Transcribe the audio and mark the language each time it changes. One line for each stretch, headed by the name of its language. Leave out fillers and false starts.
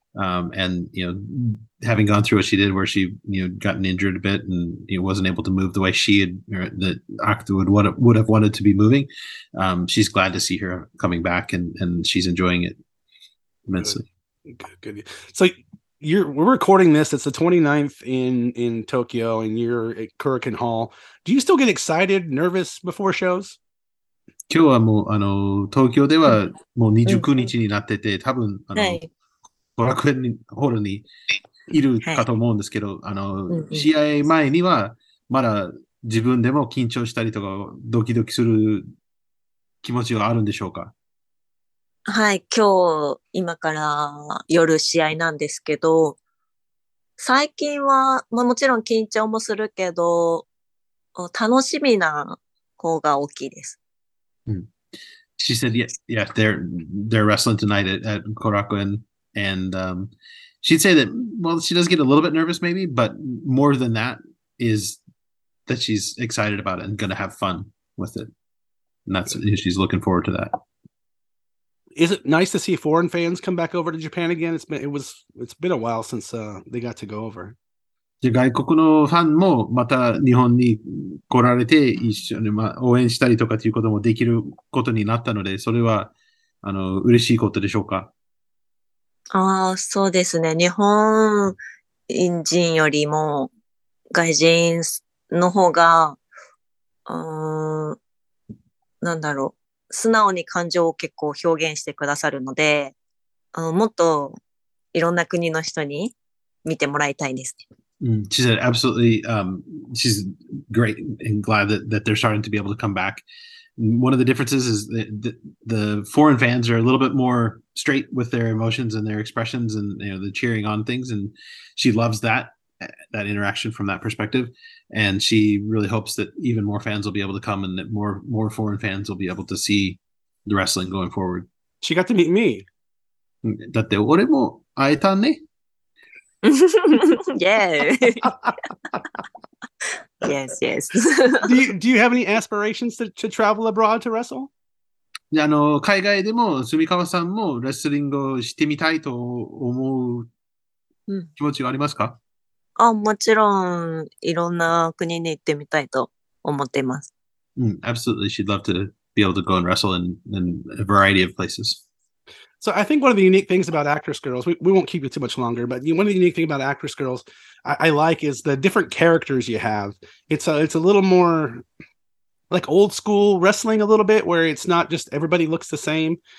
English: And you know, having gone through what she did, where she you know gotten injured a bit and you know, wasn't able to move the way she had or that Akta would have wanted to be moving, she's glad to see her coming back and she's enjoying it immensely. Good. So we're recording this. It's the 29th in Tokyo, and you're at Kurikan Hall. Do you still get excited, nervous before shows?
Japanese: 今日はもうあの東京ではもう29日になってて多分あの。
English: Hey.
Japanese: ドラクエホールにいるかと思うんですけど、はい、あの、うんうん、試合前にはまだ自分でも緊張したりとかドキドキする気持ちはあるんでしょうか？はい、今日今から夜試合なんですけど、最近は、まあ、もちろん緊張もするけど、楽しみな方が大きいです。
English: うん。She said, yeah, they're wrestling tonight at Korakuen. And, she'd say that, well, she does get a little bit nervous maybe, but more than that is that she's excited about it and going to have fun with it. And that's, she's looking forward to that. Is it nice to see foreign fans come back over to Japan again? It's been a while since, they got to go over.
Japanese: 外国のファンもまた日本に来られて一緒に応援したりとかということもできることになったので、それは、あの、嬉しいことでしょうか？ああ、そうですね。日本人よりも外人の方が、なんだろう。素直に感情を結構表現してくださるので、もっといろんな国の人に見てもらいたいです。
English: She said absolutely, she's great and glad that they're starting to be able to come back. One of the differences is the foreign fans are a little bit more straight with their emotions and their expressions and you know the cheering on things. And she loves that interaction from that perspective. And she really hopes that even more fans will be able to come and that more foreign fans will be able to see the wrestling going forward. She got to meet me.
Japanese: だって俺も会えたね。
English: Yeah. Yes, yes. Do you have any aspirations to travel abroad to wrestle?
Japanese: あの海外でも住川さんもレスリングをしてみたいと思う気持ちはありますか？あ、もちろんいろんな国に行ってみたいと思っています。
English: うん、absolutely. She'd love to be able to go and wrestle in a variety of places. So I think one of the unique things about Actress Girls, we won't keep you too much longer, but one of the unique things about Actress Girls I like is the different characters you have. It's a little more, like old school wrestling a little bit, where it's not just everybody looks the same.